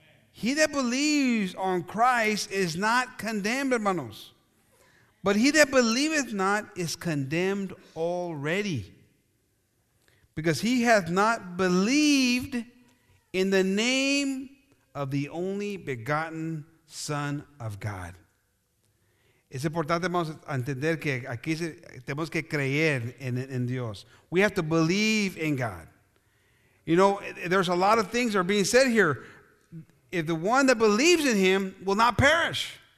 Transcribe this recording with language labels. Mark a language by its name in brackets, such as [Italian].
[English] He that believes on Christ is not condemned, hermanos. But he that believeth not is condemned already, because he hath not believed in the name of the only begotten Son of God. [Spanish] Es importante entender que aquí tenemos que creer en Dios. [English] We have to believe in God. You know, there's a lot of things that are being said here. If the one that believes in him will not perish.